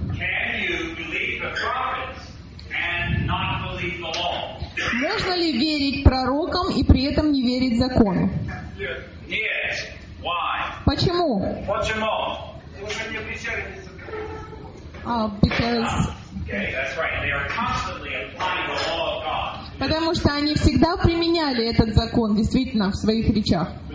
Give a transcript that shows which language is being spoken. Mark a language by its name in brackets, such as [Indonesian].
[English] Can you believe the prophets and not believe the law? [Russian] Можно ли верить пророкам и при этом не верить закону? [English] Yes. Why? [Russian] Почему? Почему? [English] Because. Okay, that's right. They are constantly applying the law of God. [Russian] Потому что они всегда применяли этот закон, действительно, в своих речах.